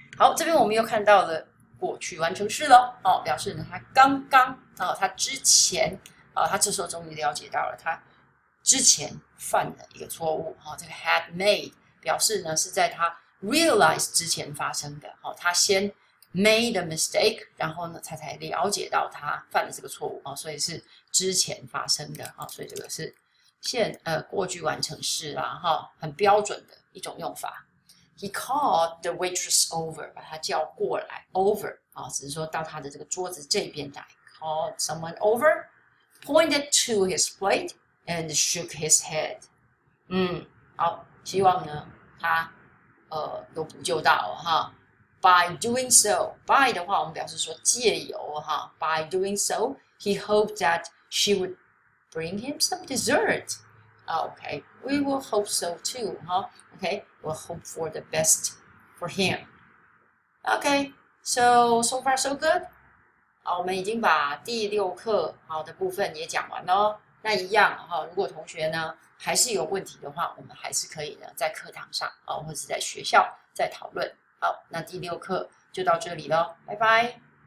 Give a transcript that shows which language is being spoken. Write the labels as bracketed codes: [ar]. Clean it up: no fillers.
[zh] 好，这边我们又看到了过去完成式了，哦，表示呢他刚刚，哦，他之前，哦，他这时候终于了解到了他之前犯了一个错误，哦，这个 [en] had made [zh] 表示呢是在他 realized 之前发生的，哦，他先 [en] made a mistake， [zh] 然后呢才了解到他犯了这个错误，哦，所以是之前发生的，哦，所以这个是过去完成式啦，啊，很标准的一种用法。 [en] He called the waitress over, [zh] 把他叫过来 [en] over, [zh] 啊，只是说到他的这个桌子这边来 [en] called someone over, pointed to his plate, and shook his head. [zh] 嗯，好，希望呢他都补救到哈。 [en] By doing so, by [zh] 的话我们表示说借由哈 [en] ,by doing so, he hoped that she wouldBring him some dessert. Okay, we will hope so too, huh? Okay, we'll hope for the best for him. Okay, so far so good. [zh] 好，我们已经把第六课好的部分也讲完了。那一样哈，如果同学呢还是有问题的话，我们还是可以呢在课堂上啊，或者在学校再讨论。好，那第六课就到这里了，拜拜。